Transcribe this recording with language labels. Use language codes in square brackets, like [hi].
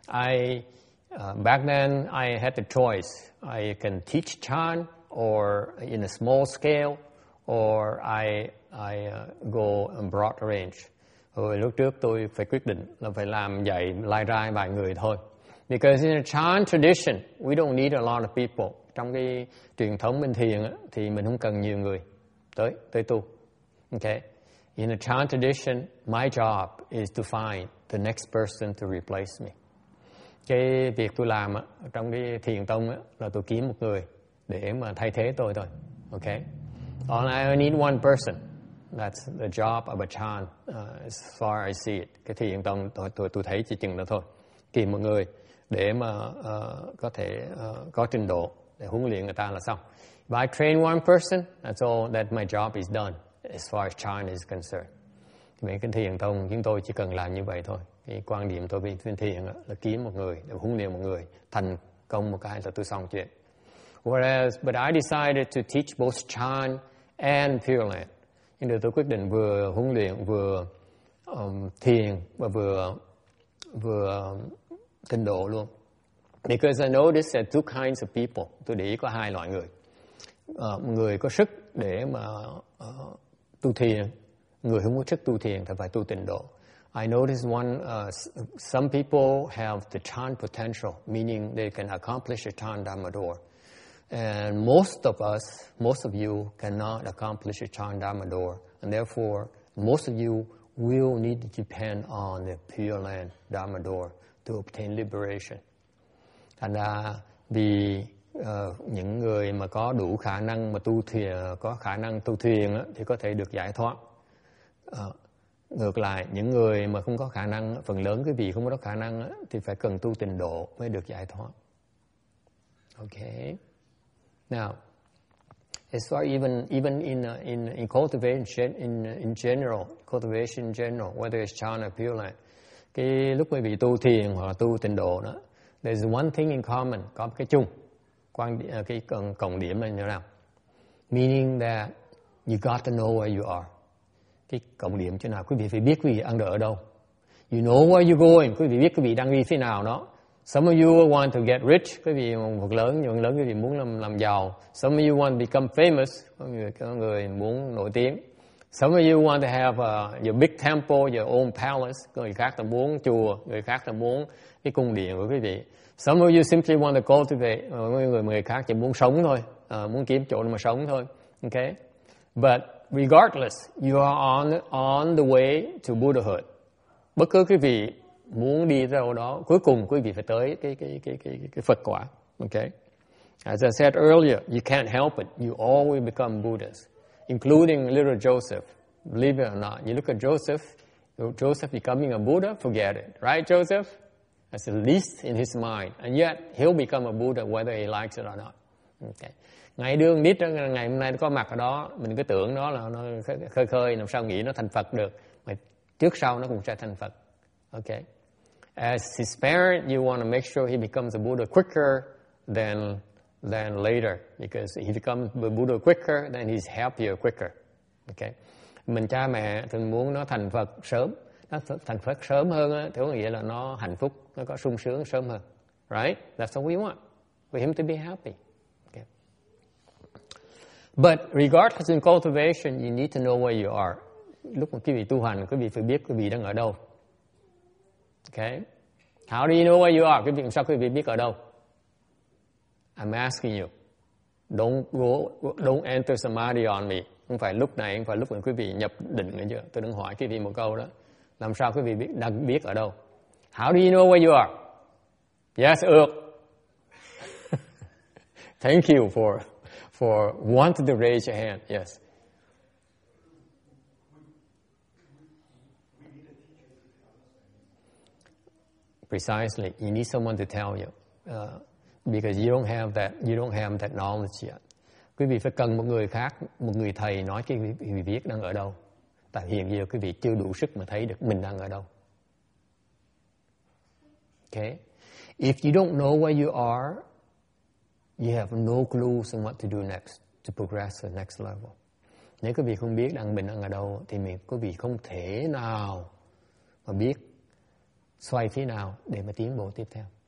[en] I Back then, I had the choice. I can teach Chan or in a small scale, or I go in broad range. [vi] Hồi lúc trước tôi phải quyết định là phải làm dạy lai rai vài người thôi. [en] Because in a Chan tradition, we don't need a lot of people. [vi] Trong cái truyền thống bên thiền thì mình không cần nhiều người tới tu. Okay. [en] In a Chan tradition, my job is to find the next person to replace me. [vi] Cái việc tôi làm trong cái thiền tông là tôi kiếm một người để mà thay thế tôi thôi. [en] Okay. All I need one person. That's the job of a Chan, as far as I see it. [vi] Cái thiền tông tôi thấy chỉ chừng đó thôi. Kiếm một người để mà có thể có trình độ để huấn luyện người ta là xong. [en] If I train one person, that's all that my job is done, as far as Chan is concerned. [vi] Mấy cái thiền tông chúng tôi chỉ cần làm như vậy thôi. Cái quan điểm tôi về thiền là kiếm một người để huấn luyện một người thành công một cái là tôi xong chuyện. [en] Whereas, but I decided to teach both Chan and Pure Land. [vi] Nhưng mà tôi quyết định vừa huấn luyện vừa thiền và vừa tinh độ luôn. [en] Because I noticed there are two kinds of people. [vi] Tôi để ý có hai loại người. Người có sức để mà tu thiền, người không có sức tu thiền thì phải tu tịnh độ. [en] I noticed some people have the chan potential, meaning they can accomplish a chan dharma door. And most of you cannot accomplish a chan dharma door. And therefore, most of you will need to depend on the Pure Land dharma door to obtain liberation. [vi] Thành ra vì những người mà có đủ khả năng mà tu thiền, có khả năng tu thiền thì có thể được giải thoát. Ngược lại, những người mà không có khả năng, phần lớn quý vị không có khả năng thì phải cần tu tịnh độ mới được giải thoát. Okay. [en] Now, as far even in cultivation in general, cultivation in general, whether it's Chan or Pure Land, [vi] cái lúc quý vị tu thiền hoặc là tu tịnh độ đó, [en] there's one thing in common, [vi] có cái chung, cái cộng điểm là như nào? [en] Meaning that you got to know where you are. [vi] Cái cộng điểm chỗ nào? Quý vị phải biết quý vị ăn ở đâu. [en] You know where you're going. [vi] Quý vị biết quý vị đang đi thế nào đó. [en] Some of you want to get rich. [vi] Quý vị một lớn, những lớn quý vị muốn làm giàu. [en] Some of you want to become famous. [vi] Có người muốn nổi tiếng. [en] Some of you want to have your big temple, your own palace. [vi] Người khác là muốn chùa, người khác là muốn cái cung điện của quý vị. [en] Some of you simply want to cultivate. [vi] Người khác chỉ muốn sống thôi, muốn kiếm chỗ mà sống thôi. [en] Okay? But regardless, you are on the way to Buddhahood. Bất cứ quý vị muốn đi đâu đó, cuối cùng quý vị phải tới cái Phật quả. Okay? As I said earlier, you can't help it. You always become Buddhist. Including little Joseph, believe it or not. You look at Joseph becoming a Buddha, forget it. Right, Joseph? That's the least in his mind. And yet, he'll become a Buddha whether he likes it or not. Okay. [vi] Ngày đưa nít, ngày hôm nay nó có mặt ở đó, mình cứ tưởng đó là nó khơi khơi, làm sao nghĩ nó thành Phật được. Mà trước sau nó cũng sẽ thành Phật. [en] Okay. As his parent, you want to make sure he becomes a Buddha quicker than later, because he becomes Buddha quicker, then he's happier quicker. Okay. [vi] Mình cha mẹ thường muốn nó thành Phật sớm, nó thành Phật sớm hơn thì có nghĩa là nó hạnh phúc, nó có sung sướng sớm hơn. [en] Right? That's what we want. For him to be happy. Okay. But regardless in cultivation, you need to know where you are. [vi] Lúc mà quý vị tu hành, quý vị phải biết quý vị đang ở đâu. Okay? [en] How do you know where you are? [vi] Quý vị, sao quý vị biết ở đâu? [en] I'm asking you, don't enter samadhi on me. [vi] Không phải lúc này, không phải lúc quý vị nhập định nữa chứ. Tôi đang hỏi quý vị một câu đó. Làm sao quý vị đang biết ở đâu? [en] How do you know where you are? Yes, ước. Thank you for wanting to raise your hand. Yes. Precisely, you need someone to tell you. Because you don't have that knowledge yet. [vi] Quý vị phải cần một người khác, một người thầy nói cái quý vị biết đang ở đâu. Tại hiện giờ quý vị chưa đủ sức mà thấy được mình đang ở đâu. [en] Okay. If you don't know where you are, you have no clues on what to do next to progress to the next level. [vi] Nếu quý vị không biết mình đang ở đâu, thì quý vị không thể nào mà biết xoay thế nào để mà tiến bộ tiếp theo.